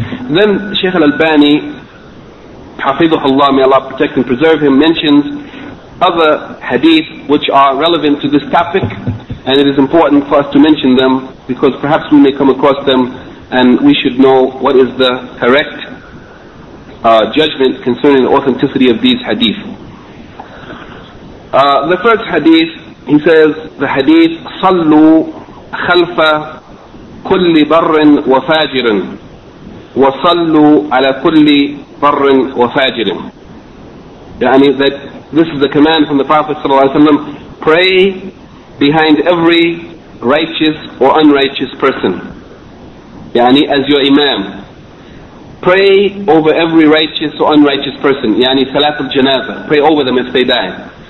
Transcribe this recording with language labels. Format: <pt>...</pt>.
<en>Then Shaykh al-Albani, hafidhu Allah, may Allah protect and preserve him, mentions other hadith which are relevant to this topic, and it is important for us to mention them because perhaps we may come across them and we should know what is the correct judgment concerning the authenticity of these hadith. The first hadith, he says, the hadith,</en> <ar>صَلُّوا خَلْفَ كُلِّ بَرٍ وَفَاجِرٍ وَصَلُّوا عَلَى كُلِّ بَرٍ وَفَاجِرٍ.</ar> <en>Yani that this is the command from the Prophet ﷺ, pray behind every righteous or unrighteous person, yani as your imam. Pray over every righteous or unrighteous person, yani salat al-janaza, pray over them if they die.</en>